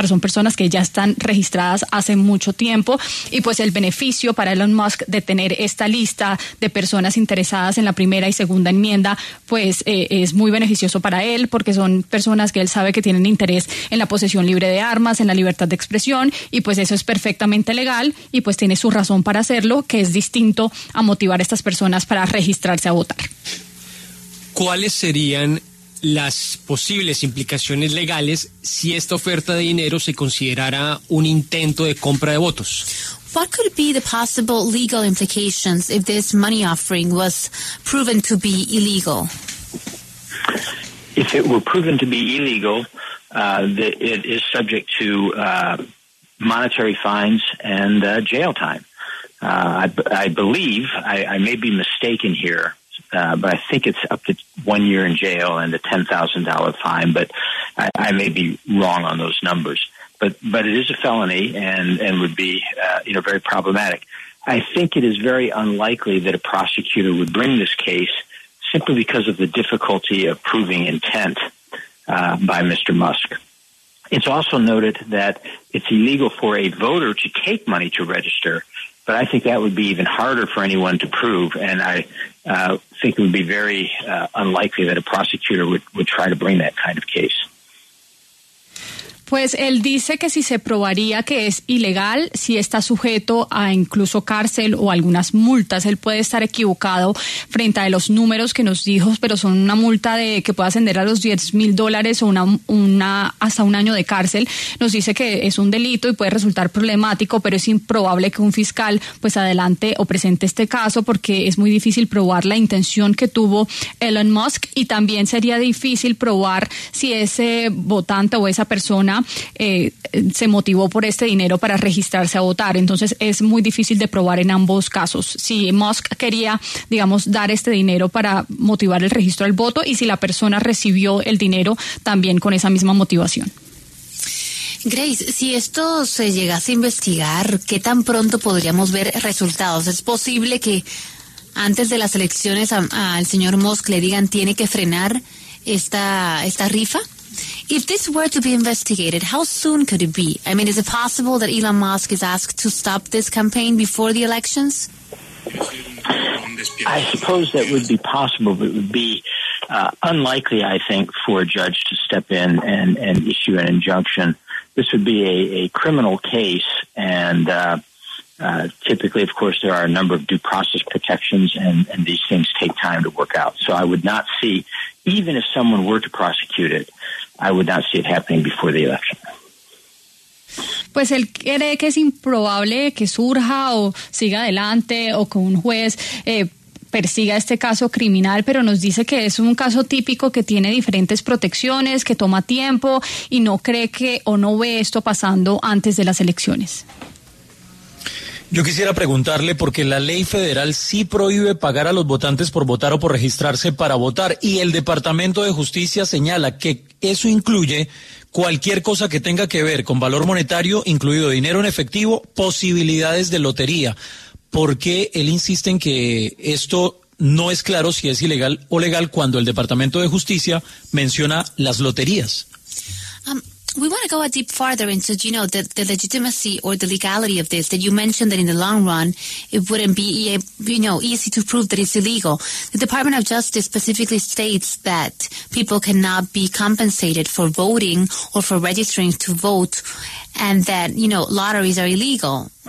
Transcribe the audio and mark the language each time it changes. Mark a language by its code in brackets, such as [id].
[es] Son personas que ya están registradas hace mucho tiempo, y pues el beneficio para Elon Musk de tener esta lista de personas interesadas en la primera y segunda enmienda, pues es muy beneficioso para él, porque son personas que él sabe que tienen interés en la posesión libre de armas, en la libertad de expresión, y pues eso es perfectamente legal, y pues tiene su razón para hacerlo, que es distinto a motivar a estas personas para registrarse a votar. ¿Cuáles serían las posibles implicaciones legales si esta oferta de dinero se considerara un intento de compra de votos? [en] What could be the possible legal implications if this money offering was proven to be illegal? If it were proven to be illegal, it is subject to monetary fines and jail time. I believe I may be mistaken here, but I think it's up to 1 year in jail and a $10,000 fine. But I may be wrong on those numbers. But it is a felony and would be very problematic. I think it is very unlikely that a prosecutor would bring this case simply because of the difficulty of proving intent by Mr. Musk. It's also noted that it's illegal for a voter to take money to register, but I think that would be even harder for anyone to prove, and I think it would be very unlikely that a prosecutor would try to bring that kind of case. [es] Pues él dice que si se probaría que es ilegal, si está sujeto a incluso cárcel o algunas multas, él puede estar equivocado frente a los números que nos dijo, pero son una multa de que puede ascender a los $10,000 o una hasta un año de cárcel. Nos dice que es un delito y puede resultar problemático, pero es improbable que un fiscal pues adelante o presente este caso porque es muy difícil probar la intención que tuvo Elon Musk y también sería difícil probar si ese votante o esa persona se motivó por este dinero para registrarse a votar. Entonces es muy difícil de probar en ambos casos. Si Musk quería, digamos, dar este dinero para motivar el registro del voto y si la persona recibió el dinero también con esa misma motivación. Grace, si esto se llegase a investigar, ¿qué tan pronto podríamos ver resultados? ¿Es posible que antes de las elecciones al señor Musk le digan tiene que frenar esta rifa? [en] If this were to be investigated, how soon could it be? I mean, is it possible that Elon Musk is asked to stop this campaign before the elections? I suppose that would be possible, but it would be unlikely, I think, for a judge to step in and issue an injunction. This would be a criminal case, and typically, of course, there are a number of due process protections, and these things take time to work out. So I would not see, even if someone were to prosecute it, I would not see it happening before the election. [es] Pues él cree que es improbable que surja o siga adelante o que un juez persiga este caso criminal, pero nos dice que es un caso típico que tiene diferentes protecciones, que toma tiempo y no cree que o no ve esto pasando antes de las elecciones. Yo quisiera preguntarle, porque la ley federal sí prohíbe pagar a los votantes por votar o por registrarse para votar, y el Departamento de Justicia señala que eso incluye cualquier cosa que tenga que ver con valor monetario, incluido dinero en efectivo, posibilidades de lotería. ¿Por qué él insiste en que esto no es claro si es ilegal o legal cuando el Departamento de Justicia menciona las loterías? [en] We want to go a deep farther into, you know, the legitimacy or the legality of this, that you mentioned that in the long run, it wouldn't be, you know, easy to prove that it's illegal. The Department of Justice specifically states that people cannot be compensated for voting or for registering to vote and that, you know, lotteries are illegal.